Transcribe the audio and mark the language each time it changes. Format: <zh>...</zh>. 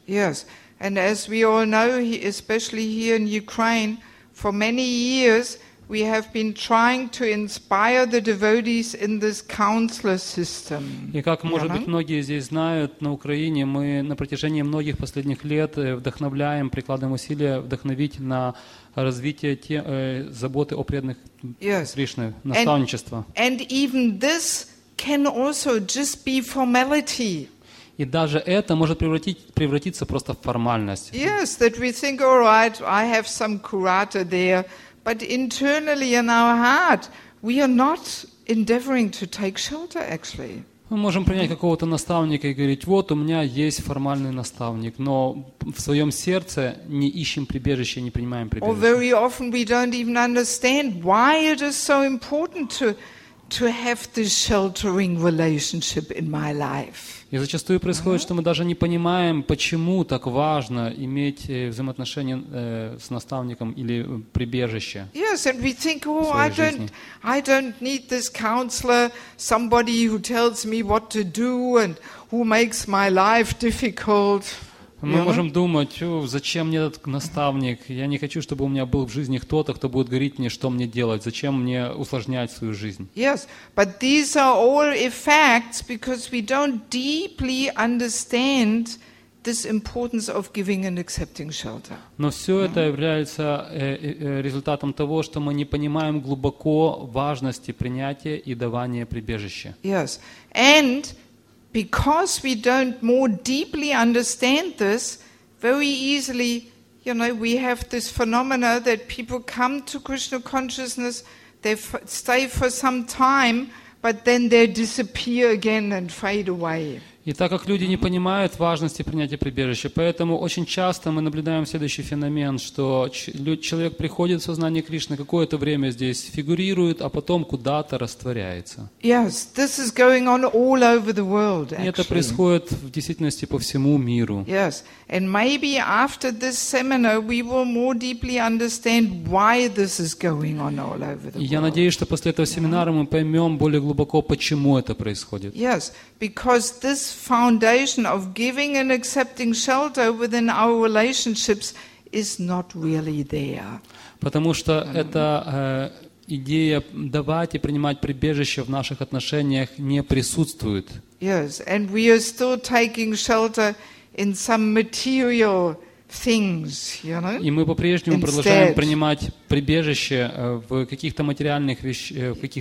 <en>Yes, and as we all know, especially here in Ukraine, for many years we have been trying to inspire the devotees in this counselor system.</en> <ru>И как, может быть, многие здесь знают, на Украине мы на протяжении многих последних лет вдохновляем, прикладываем усилия вдохновить на развитие заботы о преданных Кришны, наставничество.</ru> <en>And even this can also just be formality.</en> <ru>И даже это может превратиться просто в формальность.</ru> <en>Yes, that we think, all right, I have some kurata there, but internally in our heart, we are not endeavoring to take shelter, actually.</en> <ru>Мы можем принять какого-то наставника и говорить, вот у меня есть формальный наставник, но в своем сердце не ищем прибежище, не принимаем прибежище.</ru> <en>Or very often we don't even understand why it is so important to have this sheltering relationship in my life.</en> <ru>И зачастую происходит, что мы даже не понимаем, почему так важно иметь взаимоотношения с наставником или прибежище.</ru> <en>Yes, and we think, oh, I don't need this counselor, somebody who tells me what to do and who makes my life difficult.</en> <ru>Мы можем думать, зачем мне этот наставник? Я не хочу, чтобы у меня был в жизни кто-то, кто будет говорить мне, что мне делать. Зачем мне усложнять свою жизнь?</ru> <en>Yes, but these are all effects because we don't deeply understand this importance of giving and accepting shelter.</en> <ru>Но все это является результатом того, что мы не понимаем глубоко важности принятия и давания прибежища.</ru> <en>Yes, and because we don't more deeply understand this, very easily, you know, we have this phenomena that people come to Krishna consciousness, they stay for some time, but then they disappear again and fade away.</en> <ru>И так как люди не понимают важности принятия прибежища, поэтому очень часто мы наблюдаем следующий феномен, что человек приходит в сознание Кришны, какое-то время здесь фигурирует, а потом куда-то растворяется.</ru> <en>Yes, this is going on all over the world, actually.</en> <ru>И это происходит в действительности по всему миру.</ru> <en>Yes, and maybe after this seminar we will more deeply understand why this is going on all over the world.</en> <ru>Я надеюсь, что после этого семинара мы поймем более глубоко, почему это происходит.</ru> <en>Yes, because this foundation of giving and accepting shelter within our relationships is not really there.</en> <ru>Потому что эта идея давать и принимать прибежище в наших отношениях не присутствует.</ru> <en>Yes, and we are still taking shelter in some material things, you know?</en> <ru>И мы по-прежнему продолжаем принимать прибежище в каких-то материальных вещах,</ru>